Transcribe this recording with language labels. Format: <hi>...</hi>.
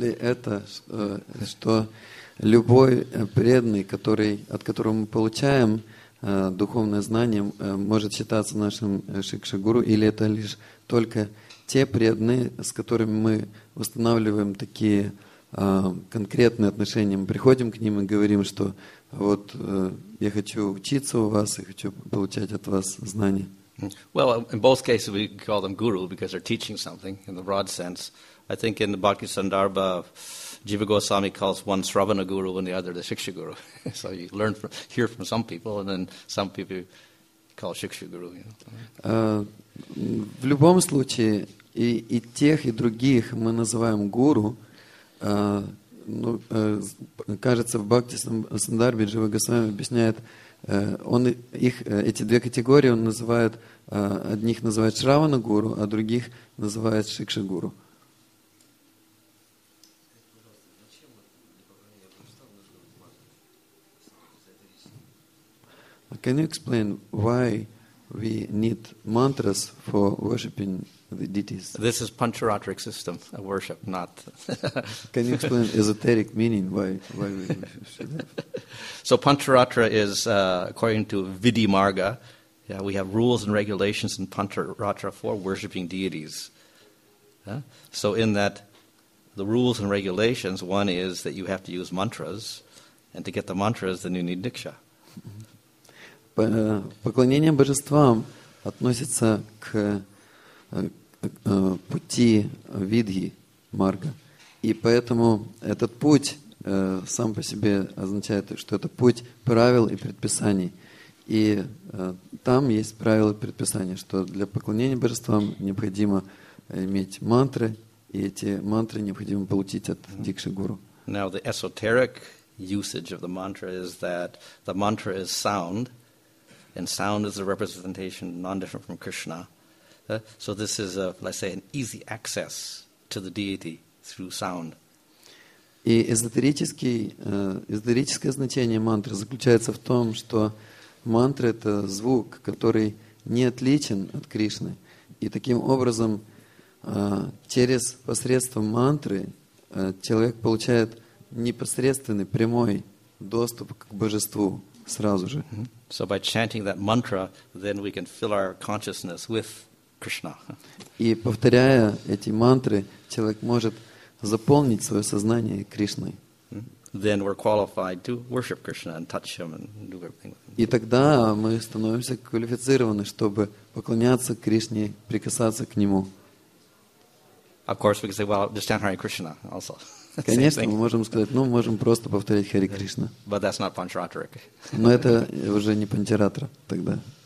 <ru>ли это, что любой преданный, от которого мы получаем духовное знание, может считаться нашим шикшагуру, или это лишь только те преданные, с которыми мы устанавливаем такие конкретные отношения? Мы приходим к ним и говорим, что вот я хочу учиться у вас и хочу получать от вас знания.</ru> <en>Well, in both cases, we call them guru because they're teaching something in the broad sense. I think in the Bhakti Sandarbha, Jiva Goswami calls one Sravana Guru and the other the Shiksha Guru. So you hear from some people, and then some people call Shiksha Guru. You know?</en> <ru>В любом случае, и тех, и других мы называем гуру. Кажется, в Бхакти Сандарбе Джива Госвами объясняет, он их, эти две категории он называет, одних называет Шравана Гуру, а других называет Шикша Гуру.</ru> <en>Can you explain why we need mantras for worshiping the deities? This is Pancharatrik system of worship, not... Can you explain esoteric meaning why we should have? So Pancharatra is, according to Vidhimarga, yeah, we have rules and regulations in Pancharatra for worshiping deities. Yeah? So in that, the rules and regulations, one is that you have to use mantras, and to get the mantras, then you need diksha.</en> <ru>Поклонение божествам относится к пути Видхи Марга. И поэтому этот путь сам по себе означает, что это путь правил и предписаний. И там есть правила и предписания, что для поклонения божествам необходимо иметь мантры, и эти мантры необходимо получить от Дикши Гуру.</ru> <en>Now the esoteric usage of the mantra is that the mantra is sound. And sound is a representation non-different from Krishna. So this is, an easy access to the deity through sound.</en> <ru>И эзотерическое значение мантры заключается в том, что мантра — это звук, который не отличен от Кришны. И таким образом, через посредством мантры человек получает непосредственный, прямой доступ к божеству. Сразу же. Mm-hmm.</ru> <en>So by chanting that mantra, then we can fill our consciousness with Krishna.</en> <ru>И повторяя эти мантры, человек может заполнить свое сознание Кришной. Mm-hmm.</ru> <en>Then we're qualified to worship Krishna and touch him and do everything with him.</en> <ru>И тогда мы становимся квалифицированы, чтобы поклоняться Кришне, прикасаться к нему.</ru> <en>Of course, we can say, well, just chant Hare Krishna also.</en> <ru>Конечно, мы можем сказать, можем просто повторить Хари Кришна.</ru> <en>But that's not Pancharatrik.</en> <ru>Но это уже не Панчаратра тогда.</ru>